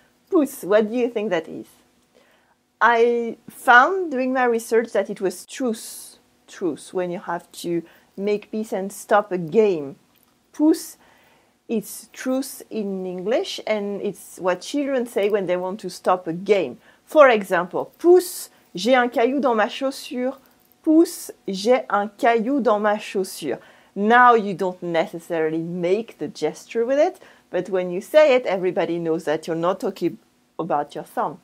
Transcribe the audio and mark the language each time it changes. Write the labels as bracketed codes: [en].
[en] Pouce, what do you think that is? I found during my research that it was truce, truce, when you have to make peace and stop a game. Pouce is truce in English, and it's what children say when they want to stop a game. For example, [fr] pouce, j'ai un caillou dans ma chaussure. Pouce, j'ai un caillou dans ma chaussure. [en] Now you don't necessarily make the gesture with it, but when you say it, everybody knows that you're not talking about your thumb.